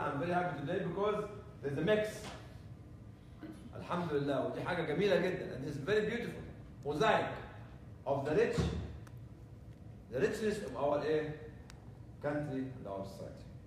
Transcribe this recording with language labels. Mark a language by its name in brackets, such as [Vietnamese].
[English] I'm very happy today because there's a mix. [Arabic] الحمد لله ودي حاجة جميلة جدا. [English] And it's very beautiful. Mosaic of the rich. The richness of our country and our society.